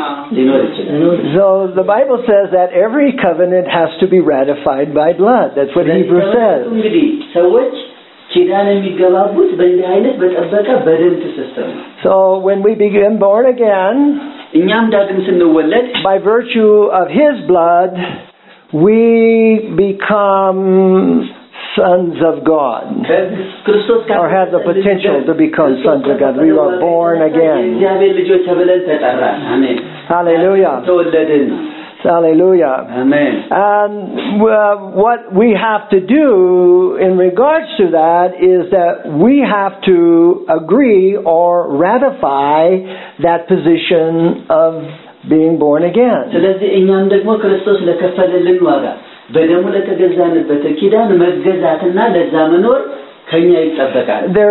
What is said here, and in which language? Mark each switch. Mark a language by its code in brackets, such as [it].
[en] So the Bible says that every covenant has to be ratified by blood. That's what Hebrew says. So which? [am] ኪዳን የሚገባቡት በእንዲህ አይነት በጠበቀ በደምት ሲስተም [en] So when we begin born again [am] እኛም ዳግም ስንወለድ [en] by virtue of his blood we become sons of God [am] ክርስቶስ ካለ [en] or have the potential to become sons of God we are born again [am] እግዚአብሔር ልጆች ተብለን ተጠራን አሜን ሃሌሉያ ተወለድን [en] Hallelujah. Amen. And what we have to do in regards to that is that we have to agree or ratify that position of being born again. [am] ስለዚህ እኛም ደግሞ ክርስቶስ ለከፈለልን ዋጋ በደሙ ለተገዛንበት ኪዳን መገዛትና ለዛ መኖር ከኛ ይጠበቃል።